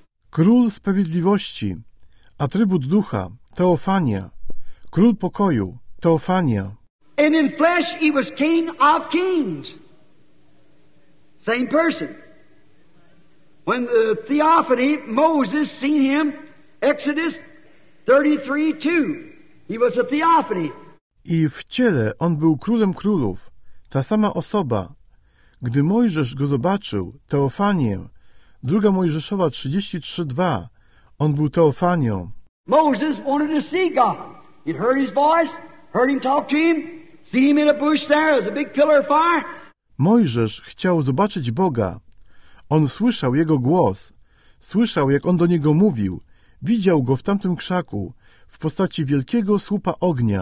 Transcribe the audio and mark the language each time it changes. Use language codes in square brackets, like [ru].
[pl] Król Sprawiedliwości, atrybut Ducha, Teofania. Król Pokoju, Teofania. [en] And in flesh he was King of Kings. Same person. When the Theophany, Moses, seen him, Exodus 33:2, he was a Theophany. [pl] I w ciele on był Królem Królów, ta sama osoba. Gdy Mojżesz go zobaczył, Teofanię, Druga Mojżeszowa 33:2. On był Teofanią. [en] Moses wanted to see God. He'd heard his voice, heard him talk to him, see him in a bush there as a big pillar of fire. [pl] Mojżesz chciał zobaczyć Boga. On słyszał jego głos. Słyszał, jak on do niego mówił. Widział go w tamtym krzaku w postaci wielkiego słupa ognia.